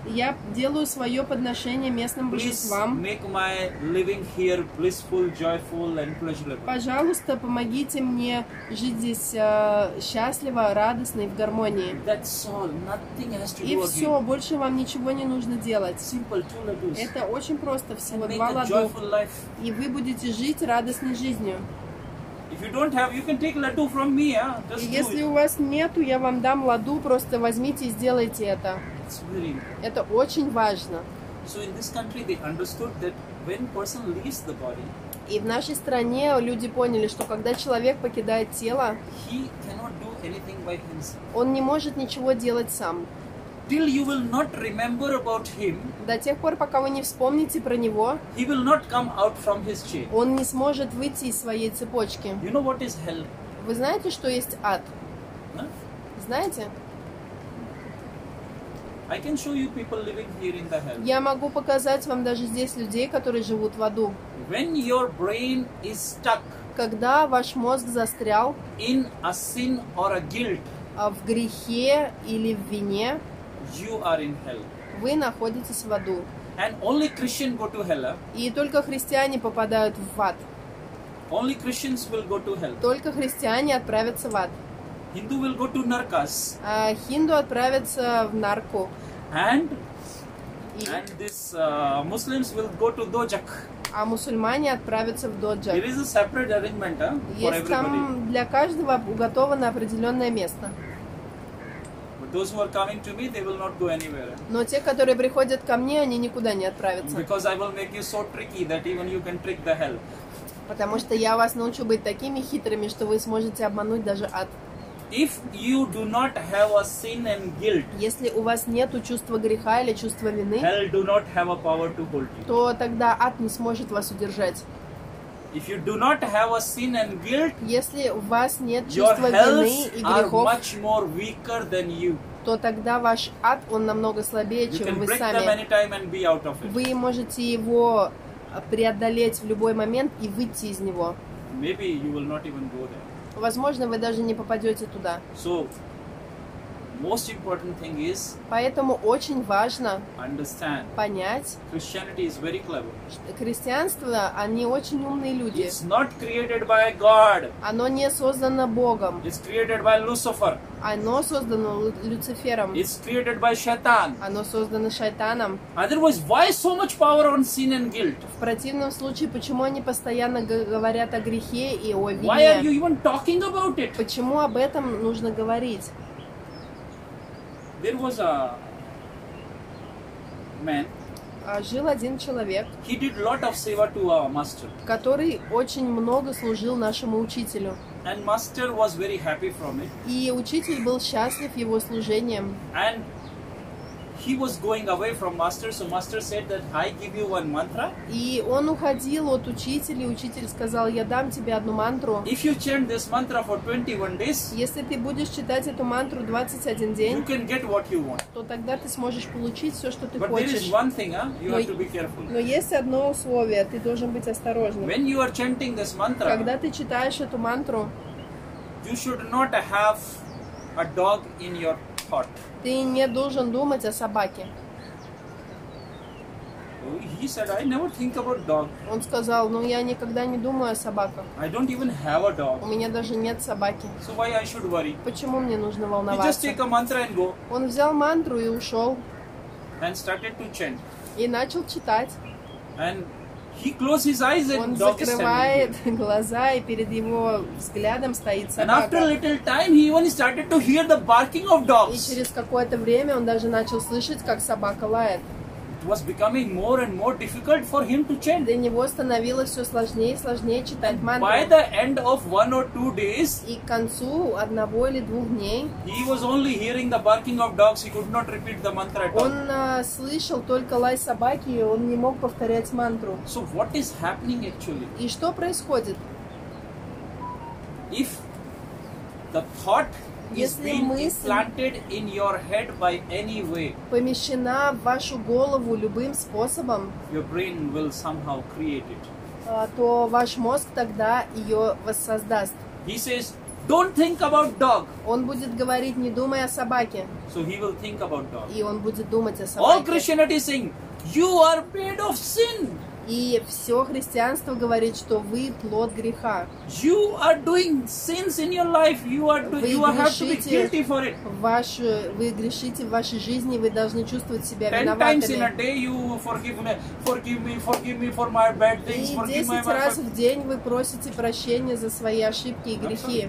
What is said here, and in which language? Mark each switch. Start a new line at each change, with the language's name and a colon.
Russian: Я делаю свое подношение местным божествам.
English: Please make my living here blissful, joyful and pleasurable.
Russian: Пожалуйста, помогите мне жить здесь счастливо, радостно и в гармонии.
English: That's all. Nothing has to
Russian: и все, больше вам ничего не нужно делать.
English: Simple, two ladus.
Russian: Это очень просто, всего
English: and
Russian: два ладу.
English: Make a joyful life.
Russian: И вы будете жить радостной жизнью.
English: If you don't have, you can take ladu from me, yeah? Just do
Russian: если
English: it.
Russian: У вас нету, я вам дам ладу, просто возьмите и сделайте это.
English: It's very important.
Russian: Это очень важно.
English: So in this country they understood that when person leaves the body,
Russian: и в нашей стране люди поняли, что когда человек покидает тело,
English: he cannot do anything by himself.
Russian: Он не может ничего делать сам.
English: Till you will not remember about him,
Russian: до тех пор, пока вы не вспомните про него,
English: he will not come out from his chain.
Russian: Он не сможет выйти из своей цепочки.
English: You know what is hell?
Russian: Вы знаете, что есть ад?
English: Huh?
Russian: Знаете?
English: I can show you people living here in the hell.
Russian: Я могу показать вам даже здесь людей, которые живут в аду.
English: When your brain is stuck,
Russian: когда ваш мозг застрял
English: in a sin or a guilt,
Russian: в грехе или в вине,
English: you are in hell.
Russian: Вы находитесь в аду.
English: And only Christians go to hell.
Russian: И только христиане попадают в ад.
English: Only Christians will go to hell.
Russian: Только христиане отправятся в ад.
English: Hindu will go to narkas.
Russian: А хинду отправятся в нарку.
English: And this Muslims will go to dojak.
Russian: А мусульмане отправятся в доджак.
English: There is a separate arrangement, for everybody.
Russian: Есть там для каждого уготовано определенное место.
English: Those who are coming to me, they will not go anywhere.
Russian: Но те, которые приходят ко мне, они никуда не отправятся.
English: Because I will make you so tricky that even you can trick the hell.
Russian: Потому что я вас научу быть такими хитрыми, что вы сможете обмануть даже ад.
English: If you do not have a sin and guilt,
Russian: если у вас нету чувства греха или чувства вины,
English: hell do not have a power to hold you.
Russian: То тогда ад не сможет вас удержать.
English: If you do not have a sin and guilt,
Russian: если у вас нет чувства вины и грехов,
English: much more weaker than you.
Russian: То тогда ваш ад, он намного слабее, чем вы сами.
English: You can break them anytime and be out of it.
Russian: Вы можете его преодолеть в любой момент и выйти из него.
English: Maybe you will not even go there.
Russian: Возможно, вы даже не попадете туда.
English: So, most important thing is,
Russian: поэтому очень важно
English: understand,
Russian: понять,
English: Christianity is very clever.
Russian: Христианство, они очень умные люди.
English: It's not created by God.
Russian: Оно не создано Богом.
English: It's created by Lucifer.
Russian: Оно создано Люцифером.
English: It's created by Shaitan.
Russian: Оно создано Шайтаном.
English: Otherwise, why so much power on sin and guilt?
Russian: В противном случае, почему они постоянно говорят о грехе и о вине?
English: Why are you even talking about it?
Russian: Почему об этом нужно говорить?
English: There was a man.
Russian: Жил один человек.
English: He did lot of seva to our master.
Russian: Который очень много служил нашему учителю.
English: And master was very happy from it.
Russian: И учитель был счастлив его служением.
English: And he was going away from master, so master said that I give you one mantra.
Russian: И он уходил от учителя, и учитель сказал: "Я дам тебе одну мантру".
English: If you chant this mantra for 21 days,
Russian: если ты будешь читать эту мантру 21 день,
English: you can get what you want.
Russian: То тогда ты сможешь получить все, что ты
English: but
Russian: хочешь.
English: But there is one thing, you have to be careful.
Russian: Но есть одно условие, ты должен быть осторожным.
English: When you are chanting this mantra,
Russian: когда ты читаешь эту мантру,
English: you should not have a dog in your heart.
Russian: Ты не должен думать о собаке.
English: He said, I never think about dog.
Russian: Он сказал, ну я никогда не думаю о собаках.
English: I don't even have a dog.
Russian: У меня даже нет собаки.
English: So why I should worry?
Russian: Почему мне нужно волноваться?
English: He just take a mantra and go.
Russian: Он взял мантру и ушел.
English: And started to chant.
Russian: И начал читать.
English: And he closed his eyes and
Russian: он
English: dog
Russian: закрывает глаза, и перед его взглядом стоит собака.
English: And after a little time, he even started to hear the barking of dogs.
Russian: И через какое-то время он даже начал слышать, как собака лает.
English: It was becoming more and more difficult for him to chant.
Russian: Для него становилось все сложнее и сложнее читать мантру.
English: By the end of one or two days,
Russian: и к концу одного или двух дней,
English: he was only hearing the barking of dogs. He could not repeat the mantra at all.
Russian: Он слышал только лай собаки, и он не мог повторять мантру.
English: So what is happening actually?
Russian: И что происходит?
English: If the thought
Russian: если мысль помещена в вашу голову любым способом,
English: your brain will somehow create it.
Russian: То ваш мозг тогда ее воссоздаст.
English: He says, don't think about dog.
Russian: Он будет говорить, не думай о собаке.
English: So he will think about dog.
Russian: И он будет думать о собаке.
English: All Christianity is saying, you are made of sin.
Russian: И все христианство говорит, что вы плод греха.
English: You are doing sins in your life. You are doing, you have to be guilty for it.
Russian: Вы грешите в вашей жизни, вы должны чувствовать себя виноватыми.
English: Ten times in a day you forgive me for my bad things.
Russian: И десять раз в день вы просите прощения за свои ошибки и грехи.